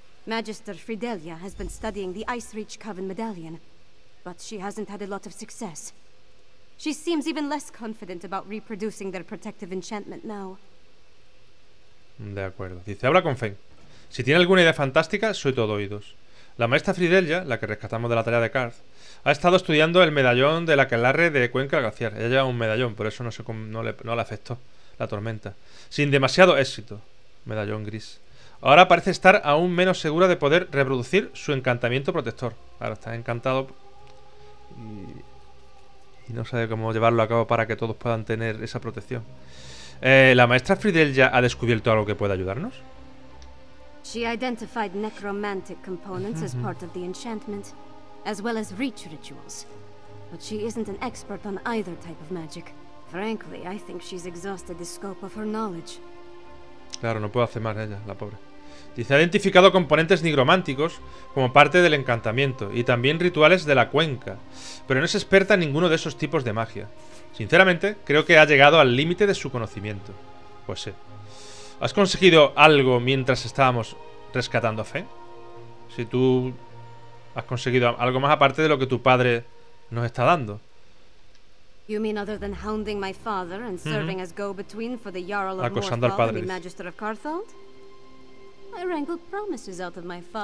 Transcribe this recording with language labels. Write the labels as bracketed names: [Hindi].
[English] Magister Fridelia has been studying the Ice Reach Coven medallion, but she hasn't had a lot of success. She seems even less confident about reproducing their protective enchantment now. [Spanish] De acuerdo. Dice, habla con Fenn. Si tiene alguna idea fantástica, soy todo oídos. La maestra Fridelia, la que rescatamos de la tarea de Karth, ha estado estudiando el medallón de la Aquelarre de Cuenca Glaciar. Ella lleva un medallón, por eso no le afectó la tormenta. Sin demasiado éxito. Medallón gris. Ahora parece estar aún menos segura de poder reproducir su encantamiento protector. Ahora está encantado y no sabe cómo llevarlo a cabo para que todos puedan tener esa protección. ¿La maestra Fridel ya ha descubierto algo que pueda ayudarnos? [English] She identified necromantic components as part of the enchantment, as well as reach rituals. But she isn't an expert on either type of magic. Frankly, I think she's exhausted the scope of her knowledge. [Spanish] Claro, no puede hacer más ella, la pobre. Dice, ha identificado componentes nigrománticos como parte del encantamiento y también rituales de la cuenca, pero no es experta en ninguno de esos tipos de magia. Sinceramente, creo que ha llegado al límite de su conocimiento. Pues sí. ¿Has conseguido algo mientras estábamos rescatando a Fenn? Si tú has conseguido algo más aparte de lo que tu padre nos está dando. [English] You mean other than hounding my father and serving as go-between for the Jarl of [Spanish] Acosando al padre, [English] and the Magister of Carthold? I wrangled promises out of my father.